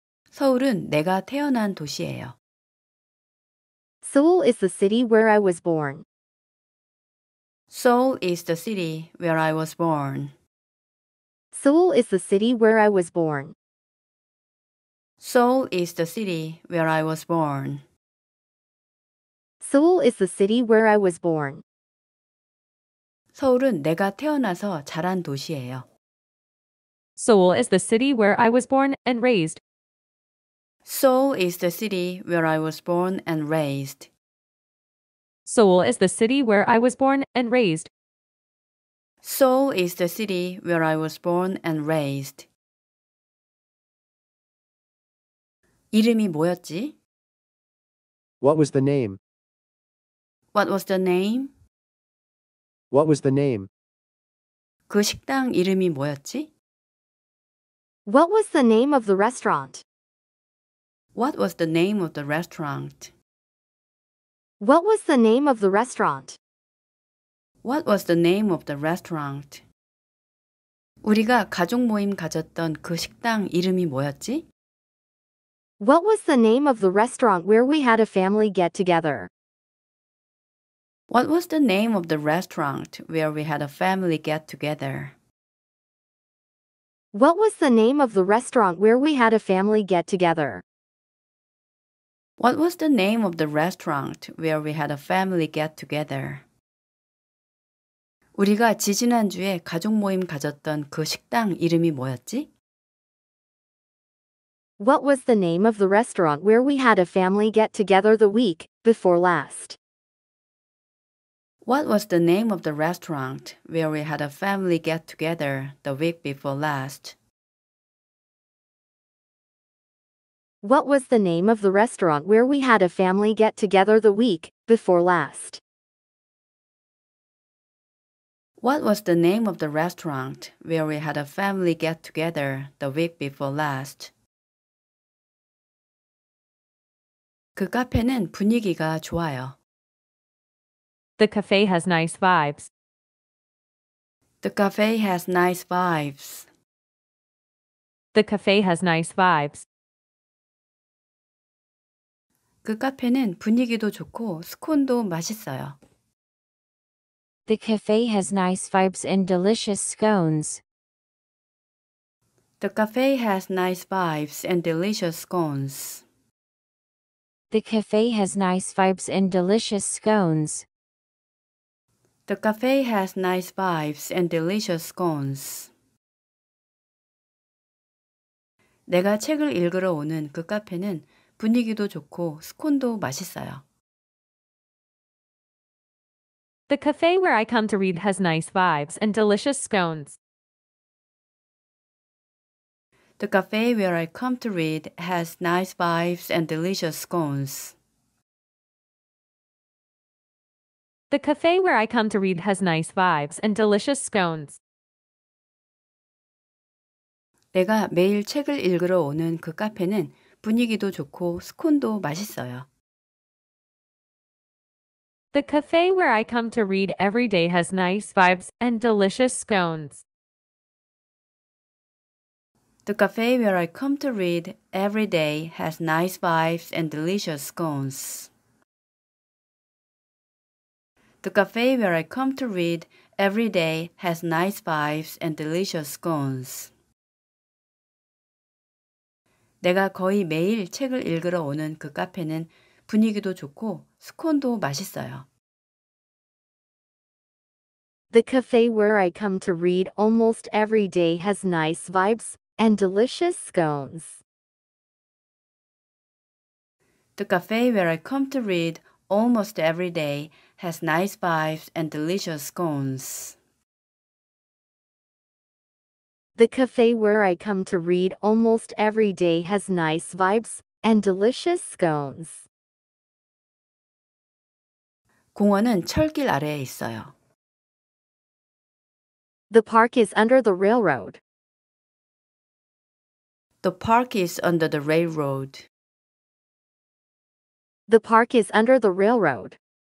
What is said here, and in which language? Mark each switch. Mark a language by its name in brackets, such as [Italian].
[Korean] 서울은 내가 태어난 도시예요. [English] Seoul is the city where I was born. Seoul is the city where I was born. Seoul is the city where I was born. Seoul is the city where I was born. Seoul is the city where I was born. [Korean] 서울은 내가 태어나서 자란 도시예요. [English] Seoul is the city where I was born and raised. Seoul is the city where I was born and raised. Seoul is the city where I was born and raised. Seoul is the city where I was born and raised. [Korean] 이름이 뭐였지? [English] What was the name? What was the name? What was the name? [Korean] 그 식당 이름이 뭐였지? [English] What was the name of the restaurant? What was the name of the restaurant? What was the name of the restaurant? What was the name of the restaurant? [Korean] 우리가 가족 모임 가졌던 그 식당 이름이 뭐였지? [English] What was the name of the restaurant where we had a family get together? What was the name of the restaurant where we had a family get together? What was the name of the restaurant where we had a family get together? What was the name of the restaurant where we had a family get together? [Korean] 우리가 지지난주에 가족 모임 가졌던 그 식당 이름이 뭐였지? [English] What was the name of the restaurant where we had a family get together the week before last? What was the name of the restaurant where we had a family get together the week before last? What was the name of the restaurant where we had a family get together the week before last? What was the name of the restaurant where we had a family get together the week before last? [Korean] 그 카페는 분위기가 좋아요. [English] The cafe has nice vibes. The cafe has nice vibes. The cafe has nice vibes. [Korean] 그 카페는 분위기도 좋고 스콘도 맛있어요. [English] The cafe has nice vibes and delicious scones. The cafe has nice vibes and delicious scones. The cafe has nice vibes and delicious scones. The cafe has nice vibes and delicious scones. [Korean] 내가 책을 읽으러 오는 그 카페는 분위기도 좋고 스콘도 맛있어요. [English] The cafe where I come to read has nice vibes and delicious scones. The cafe where I come to read has nice vibes and delicious scones. The cafe where I come to read has nice vibes and delicious scones. [Korean] 내가 매일 책을 읽으러 오는 그 카페는 분위기도 좋고 스콘도 맛있어요. [English] The cafe where I come to read every day has nice vibes and delicious scones. The cafe where I come to read every day has nice vibes and delicious scones. The cafe where I come to read every day has nice vibes and delicious scones. [Korean] 내가 거의 매일 책을 읽으러 오는 그 카페는 분위기도 좋고 스콘도 맛있어요. [English] The cafe where I come to read almost every day has nice vibes and delicious scones. The cafe where I come to read almost every day has nice vibes and delicious scones. The cafe where I come to read almost every day has nice vibes and delicious scones. [Korean] 공원은 철길 아래에 있어요. [English] The park is under the railroad. The park is under the railroad. The park is under the railroad.